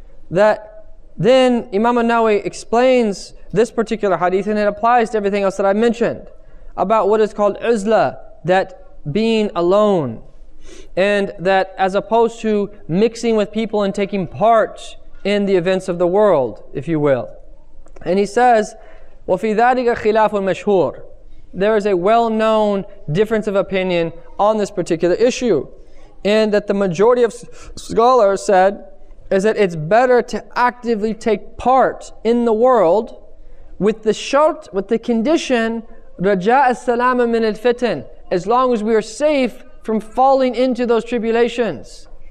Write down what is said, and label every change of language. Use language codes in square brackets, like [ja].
[en] That then Imam An-Nawawi explains this particular hadith, and it applies to everything else that I mentioned about what is called uzla, that being alone, and that as opposed to mixing with people and taking part in the events of the world, if you will. And he says, [ar] وَفِي ذَلِكَ خِلَافٌ مَشْهُورٌ. [en] There is a well-known difference of opinion on this particular issue. And that the majority of scholars said is that it's better to actively take part in the world with the shart, with the condition, [ar] رَجَاءَ السَّلَامَ مِنَ الْفِتْنِ, [en] as long as we are safe from falling into those tribulations.